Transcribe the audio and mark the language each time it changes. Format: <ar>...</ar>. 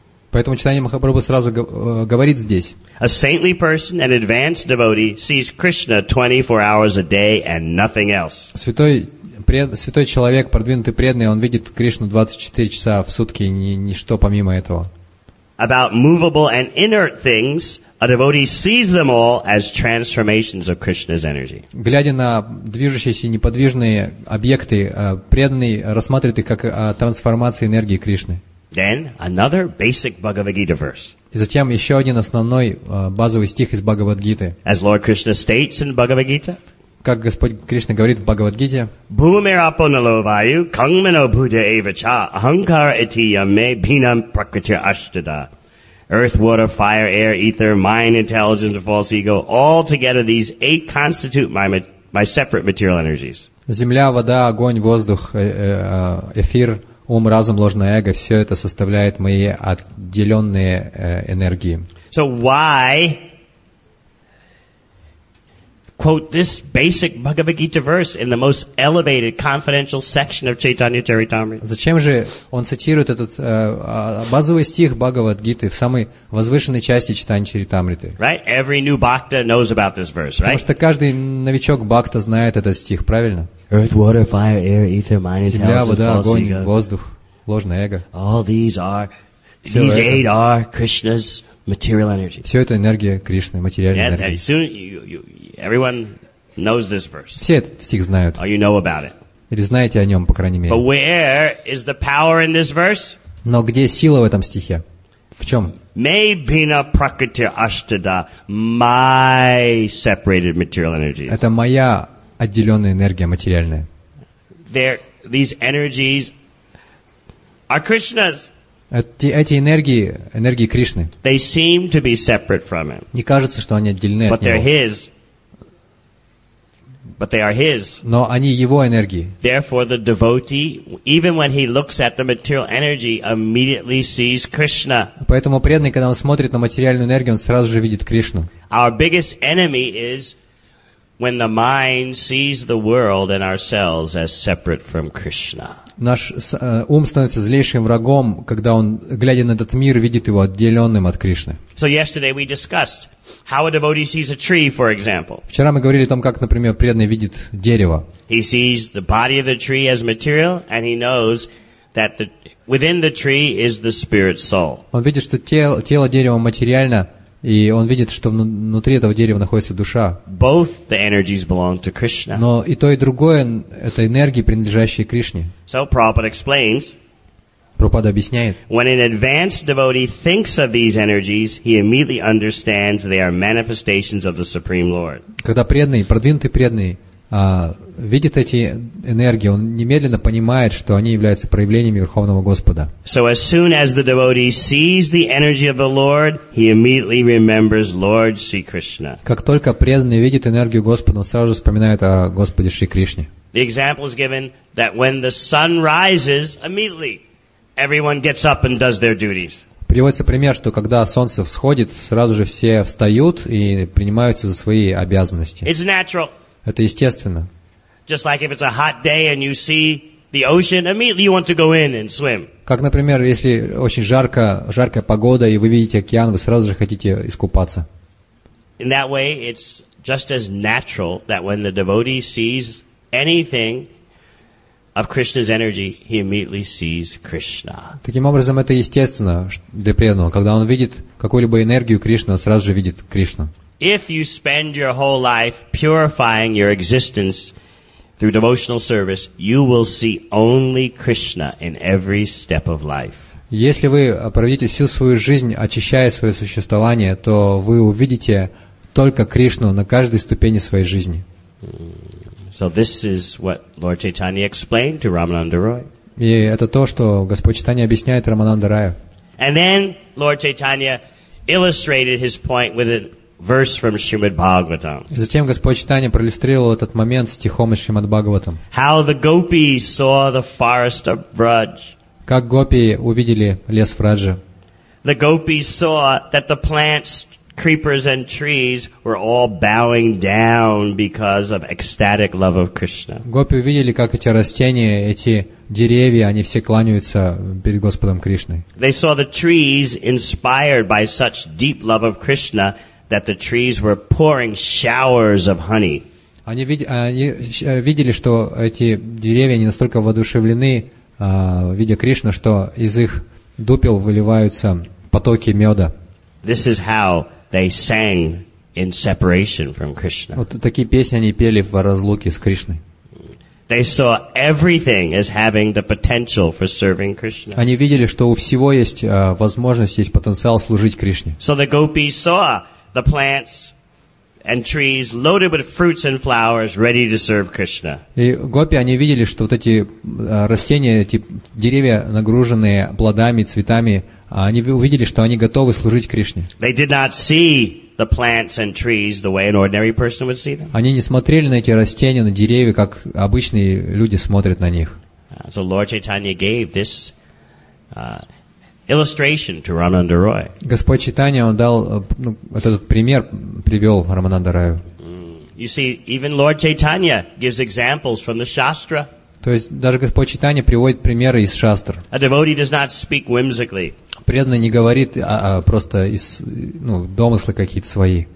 <ru>Поэтому Чайтанья Махапрабху сразу говорит здесь.</ru> <en>A saintly person, an advanced devotee, sees Krishna 24 hours a day and nothing else.</en> <ru>Святой человек, продвинутый преданный, он видит Кришну 24 часа в сутки, ничто помимо этого.</ru> <en>About movable and inert things, a devotee sees them all as transformations of Krishna's energy.</en> <ru>Глядя на движущиеся и неподвижные объекты, преданный рассматривает их как трансформации энергии Кришны.</ru> <en>Then another basic Bhagavad Gita verse.</en> <ru>И затем еще один основной базовый стих из Бхагавад-гиты.</ru> <en>As Lord Krishna states in Bhagavad Gita.</en> <ru>Как Господь Кришна говорит в Бхагавад-гите.</ru> <sa>Бхумирапо налаваю, кангмино бхуджа эвача, ахамкара ити яме, бхинам пракрити аштада.</sa> <en>Earth, water, fire, air, ether, mind, intelligence, and false ego, all together these 8 constitute my separate material energies.</en> <ru>Земля, вода, огонь, воздух, эфир, ум, разум, ложное эго, все это составляет мои отделенные энергии.</ru> <en>So why quote this basic Bhagavad Gita verse in the most elevated, confidential section of Chaitanya Charitamrita?</en> <ru>Зачем же он цитирует этот базовый стих Бхагавад-гиты в самой возвышенной части Чайтаньи Чаритамриты?</ru> <en>Right, every new bhakta knows about this verse, right?</en> <ru>Потому что каждый новичок бхакта знает этот стих, правильно?</ru> <en>Earth, water, fire, air, ether, mind,</en> <ru>Земля, вода, огонь, воздух, ложное эго.</ru> <en>All these 8 are Krishna's material energy.</en> <ru>Все это энергия Кришны, материальная энергия.</ru> <en>Soon everyone knows this verse.</en> <ru>Все этот стих знают.</ru> <en>Or you know about it.</en> <ru>Или знаете о нем, по крайней мере.</ru> <en>But where is the power in this verse?</en> <ru>Но где сила в этом стихе? В чем?</ru> <sa>May bina prakriti ashtada,</sa> <en>my separated material energy.</en> <ru>Это моя отделенная энергия, материальная.</ru> <en>These energies are Krishna's.</en> <ru>Эти энергии, энергии Кришны.</ru> <en>They seem to be separate from him.</en> <ru>Не кажется, что они отделены от него.</ru> <en>His. But they are his.</en> <ru>Но они его энергии.</ru> <en>Therefore, the devotee, even when he looks at the material energy, immediately sees Krishna.</en> <ru>Поэтому преданный, когда он смотрит на материальную энергию, он сразу же видит Кришну.</ru> <en>Our biggest enemy is when the mind sees the world and ourselves as separate from Krishna.</en> <ru>Наш ум становится злейшим врагом, когда он, глядя на этот мир, видит его отделенным от Кришны.</ru> <en>So yesterday we discussed how a devotee sees a tree, for example.</en> <ru>Вчера мы говорили о том, как, например, преданный видит дерево.</ru> <en>He sees the body of the tree as material, and he knows that within the tree is the spirit soul.</en> <ru>Он видит, что тело дерева материально, и он видит, что внутри этого дерева находится душа.</ru> <en>Both the energies belong to Krishna.</en> <ru>Но и то, и другое — это энергии, принадлежащие Кришне.</ru> <en>So Prabhupada explains.</en> <ru>Прабхупада объясняет.</ru> <en>When an advanced devotee thinks of these energies, he immediately understands they are manifestations of the Supreme Lord.</en> <ru>Когда преданный, продвинутый преданный, видит эти энергии, он немедленно понимает, что они являются проявлениями Верховного Господа.</ru> <en>So as soon as the devotee sees the energy of the Lord, he immediately remembers Lord Sri Krishna.</en> <ru>Как только преданный видит энергию Господа, он сразу же вспоминает о Господе Шри Кришне.</ru> <en>The example is given that when the sun rises, immediately everyone gets up and does their duties.</en> <ru>Приводится пример, что когда солнце всходит, сразу же все встают и принимаются за свои обязанности.</ru> <en>It's natural.</en> <ru>Это естественно.</ru> <en>Just like if it's a hot day and you see the ocean, immediately you want to go in and swim.</en> <ru>Как, например, если очень жарко, жаркая погода, и вы видите океан, вы сразу же хотите искупаться.</ru> <en>In that way, it's just as natural that when the devotee sees anything of Krishna's energy, he immediately sees Krishna.</en> <ru>Таким образом, это естественно для преданного. Когда он видит какую-либо энергию Кришны, он сразу же видит Кришну.</ru> <en>If you spend your whole life purifying your existence through devotional service, you will see only Krishna in every step of life.</en> <ru>Если вы проведете всю свою жизнь, очищая свое существование, то вы увидите только Кришну на каждой ступени своей жизни.</ru> <en>So this is what Lord Chaitanya explained to Ramananda Roy.</en> <ru>И это то, что Господь Чайтанья объясняет Рамананда Раю.</ru> <en>And then Lord Chaitanya illustrated his point with an verse from Srimad Bhagavatam.</en> <ru>Затем Господь Чайтанья проиллюстрировал этот момент стихом из Шримад Бхагаватам.</ru> <en>How the gopis saw the forest of Braj.</en> <ru>Как гопи увидели лес Враджа.</ru> <en>The gopis saw that the plants, creepers and trees were all bowing down because of ecstatic love of Krishna.</en> <ru>Гопи увидели, как эти растения, эти деревья, они все кланяются перед Господом Кришной.</ru> <en>They saw the trees inspired by such deep love of Krishna that the trees were pouring showers of honey.</en> <ru>Они видели, что эти деревья, они настолько воодушевлены, видя Кришну, что из их дупел выливаются потоки меда.</ru> <en>This is how they sang in separation from Krishna.</en> <ru>Вот такие песни они пели в разлуке с Кришной.</ru> <en>They saw everything as having the potential for serving Krishna.</en> <ru>Они видели, что у всего есть возможность, есть потенциал служить Кришне.</ru> <en>So the gopis saw the plants and trees loaded with fruits and flowers, ready to serve Krishna.</en> <ru>И гопи они видели, что вот эти растения, эти деревья, нагруженные плодами, цветами, они увидели, что они готовы служить Кришне.</ru> <en>They did not see the plants and trees the way an ordinary person would see them.</en> <ru>Они не смотрели на эти растения, на деревья, как обычные люди смотрят на них.</ru> <en>So Lord Chaitanya gave this illustration to Ramananda Roy.</en> <ru>Господь Чайтанья он дал этот пример привел Рамананда Раю.</ru> <en>You see, even Lord Chaitanya gives examples from the Shastra.</en> <ru>То есть даже Господь Чайтанья приводит примеры из Шастр.</ru> <en>A devotee does not speak whimsically.</en> <ru>Преданный не говорит просто из домыслы какие-то свои.</ru>